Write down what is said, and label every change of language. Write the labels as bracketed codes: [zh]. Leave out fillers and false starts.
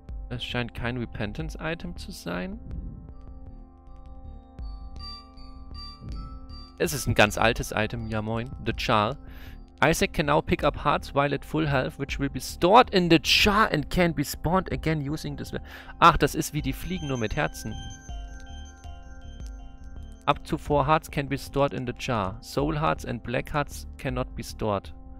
[de] Es scheint kein Repentance-Item zu sein. Es ist ein ganz altes Item, ja moin. [en] The Char. Isaac can now pick up hearts while at full health, which will be stored in the Char and can be spawned again using this... [de] Ach, das ist wie die Fliegen, nur mit Herzen. [en] Up to 4 hearts can be stored in the Char. Soul hearts and black hearts cannot be stored.